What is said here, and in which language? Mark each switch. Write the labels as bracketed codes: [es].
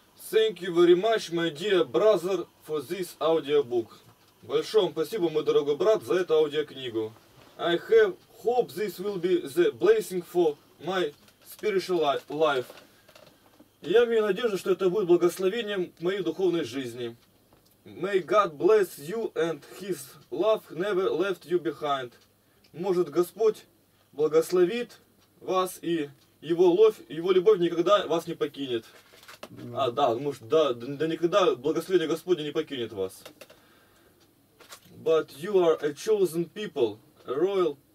[en] Thank you very much, my dear brother, for this audiobook. [ru] Большое вам спасибо, мой дорогой брат, за эту аудиокнигу. [en] I have hope this will be the blessing for my spiritual life. [ru] Я имею надежду, что это будет благословением моей духовной жизни. [en] May God bless you and His love never left you behind. [ru] Может, Господь благословит вас, и Его любовь никогда вас не покинет. А, да, может, да никогда благословение Господне не покинет вас. [en] But you are a chosen people, a royal...